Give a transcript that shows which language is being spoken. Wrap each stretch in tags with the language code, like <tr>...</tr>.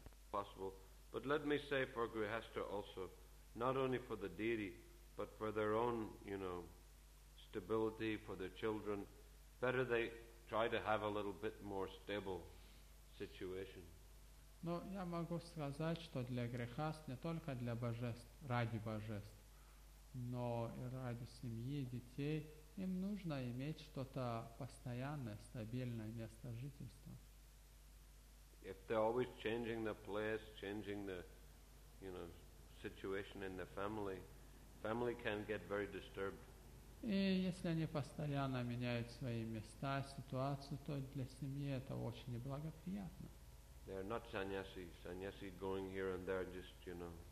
<en>Possible, but let me say for Grihastha also, not only for the deity, but for their own, you know, stability, for their children, better they try to have a little bit more stable situation.</en> <ru>Но я могу сказать, что для Грихаст, не только для божеств, ради божеств, но и ради семьи, детей, им нужно иметь что-то постоянное, стабильное место жительства.</ru> <en>If they're always changing the place, changing the, you know, situation in the family, family can get very disturbed.</en> <ru>И если они постоянно меняют свои места, ситуацию, то для семьи это очень неблагоприятно.</ru> <en>They're not sannyasi. Sannyasi going here and there, just, you know.</en>